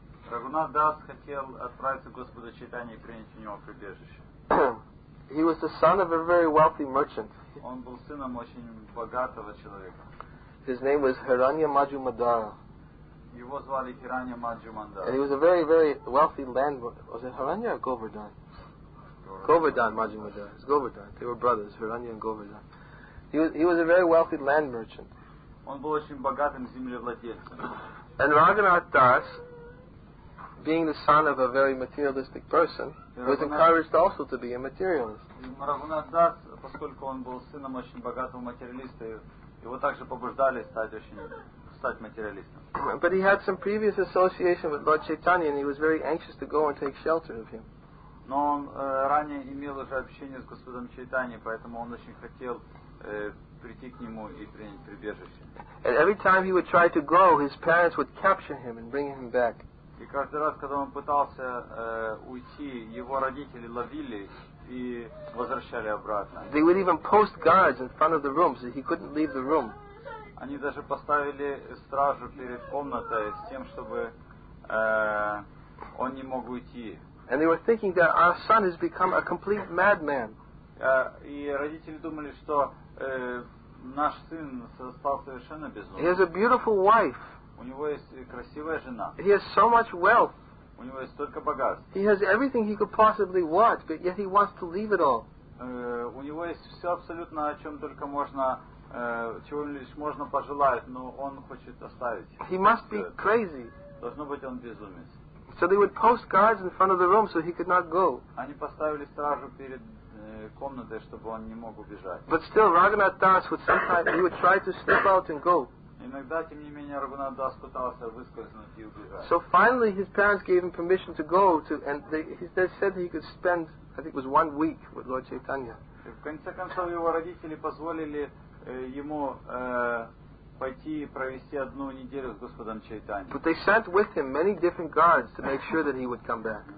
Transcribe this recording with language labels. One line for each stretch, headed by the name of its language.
Russian: Raghunath Das хотел отправиться к Господу Чайтанье и принять у него прибежище.
English: He was the son of a very wealthy merchant.
Russian: Он был сыном очень богатого человека.
English: His name was Hiranyamajumadara.
Russian: Его звали Hiranyamajumadara.
English: And he was a very, very wealthy landlord. Was it Hiranya or Govardhan? Govardhan Majumadara. It's Govardhan. They were brothers, Hiranya and Govardhan. He was a very wealthy land merchant.
Russian: Он был очень богатым землевладельцем.
English: And Raghunath Das, being the son of a very materialistic person, was encouraged also to be a materialist.
Russian: Raghunath Das, поскольку он был сыном очень богатого материалиста, его также побуждали стать материалистом.
English: But he had some previous association with Lord Chaitanya, and he was very anxious to go and take shelter of him.
Russian: Но он ранее имел уже общение с Господом Чайтаньей, поэтому он очень хотел прийти к нему и принять прибежище.
English: And every time he would try to go, his parents would capture him and bring him back.
Russian: И каждый раз, когда он пытался уйти, его родители ловили и возвращали обратно.
English: They would even post guards in front of the room so he couldn't leave the room.
Russian: Они даже поставили стражу перед комнатой с тем, чтобы он не мог уйти.
English: And they were thinking that our son has become a complete madman.
Russian: И родители думали, что наш сын стал совершенно безумным.
English: He has a beautiful wife.
Russian: У него есть красивая жена.
English: He has so much wealth.
Russian: У него есть столько богатств.
English: He has everything he could possibly want, but yet he wants to leave it all.
Russian: У него есть все абсолютно, о чем только можно, чего лишь можно пожелать, но он хочет оставить.
English: He must be crazy.
Russian: Должно быть, он безумец.
English: So they would post guards in front of the room so he could not go.
Russian: Они поставили стражу перед комнатой, чтобы он не мог убежать.
English: But still, Raghunath Das would sometimes he would try to slip out and go.
Russian: Иногда, тем не менее, Раghunath Das пытался выскользнуть и убежать.
English: So finally, his parents gave him permission to go to, and they said he could spend, I think it was 1 week with Lord Chaitanya.
Russian: В конце концов, его родители позволили ему пойти и провести одну неделю с Господом Чайтаньей.
English: But they sent with him many different guards to make sure that he would come back.